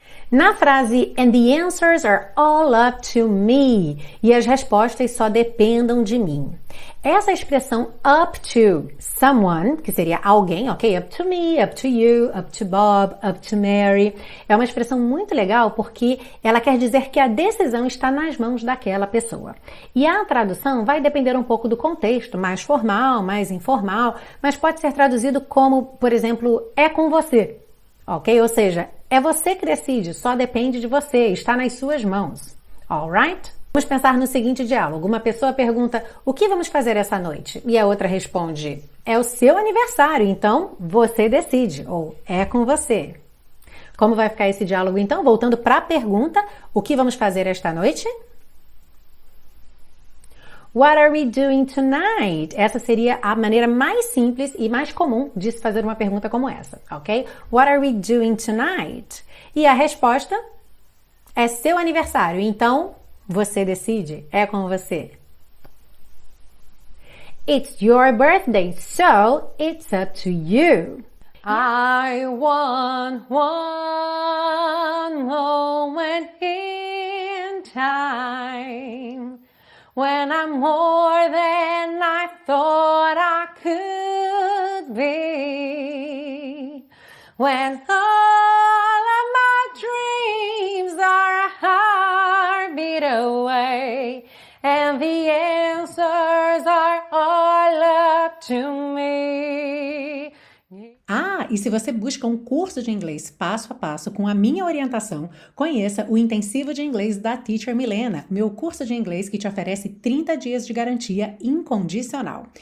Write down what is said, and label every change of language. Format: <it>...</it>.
<pt>Na frase,</pt> <en>and the answers are all up to me,</en> <pt>e as respostas só dependam de mim. Essa expressão</pt> <en>up to someone,</en> <pt>que seria alguém, ok?</pt> <en>Up to me, up to you, up to Bob, up to Mary.</en> <pt>É uma expressão muito legal porque ela quer dizer que a decisão está nas mãos daquela pessoa. E a tradução vai depender um pouco do contexto, mais formal, mais informal, mas pode ser traduzido como, por exemplo, é com você, ok? Ou seja, é você que decide, só depende de você, está nas suas mãos,</pt> <en>alright?</en> <pt>Vamos pensar no seguinte diálogo. Uma pessoa pergunta, o que vamos fazer essa noite? E a outra responde, é o seu aniversário, então você decide, ou é com você. Como vai ficar esse diálogo então? Voltando para a pergunta, o que vamos fazer esta noite?</pt> <en>What are we doing tonight?</en> <pt>Essa seria a maneira mais simples e mais comum de se fazer uma pergunta como essa, ok?</pt> <en>What are we doing tonight?</en> <pt>E a resposta é seu aniversário, então você decide, é com você.</pt> <en>It's your birthday, so it's up to you. I want one moment in time. When I'm more than I thought I could be. When all of my dreams are a heartbeat away. And the answers are all up to me.</en> <pt>Ah, e se você busca um curso de inglês passo a passo com a minha orientação, conheça o Intensivo de Inglês da Teacher Milena, meu curso de inglês que te oferece 30 dias de garantia incondicional.</pt>